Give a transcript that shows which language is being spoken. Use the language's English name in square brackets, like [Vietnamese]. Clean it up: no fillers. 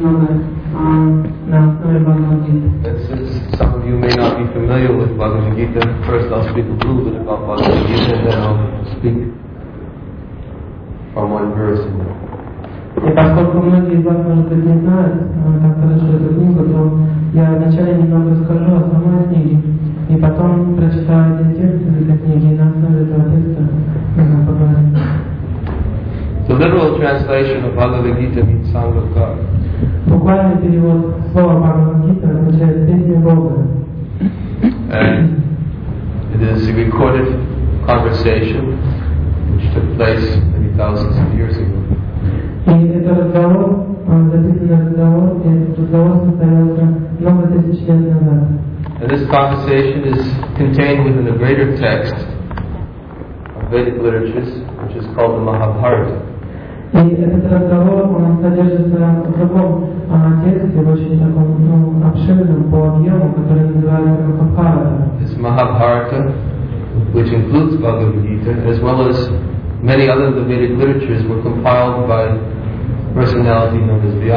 [English] And since some of you may not be familiar with Bhagavad Gita, first I'll speak a little bit about Bhagavad Gita and then I'll speak from one verse in there. [Russian] И поскольку многие из вас, может быть, не знают, как хорошо эту книгу, то я вначале немного скажу о самой книге, и потом прочитаю один текст из этой книги, и на основе этого текста мы поговорим. [English] The literal translation of Bhagavad Gita means Song of God. [Russian] Буквальный перевод слова Bhagavad Gita означает «песня Бога». [English] And it is a recorded conversation which took place many thousands of years ago. [Russian] И этот разговор, записанный разговор, и этот разговор состоялся много тысяч лет назад. [English] And this conversation is contained within a greater text of Vedic literatures, which is called the Mahabharata. [Russian] И этот разговор, он содержится в другом тексте, в очень таком, ну, обширном по объему, который называется Mahabharata. [English] This Mahabharata, which includes Bhagavad Gita, as well as many other of the Vedic literatures were compiled by personality known as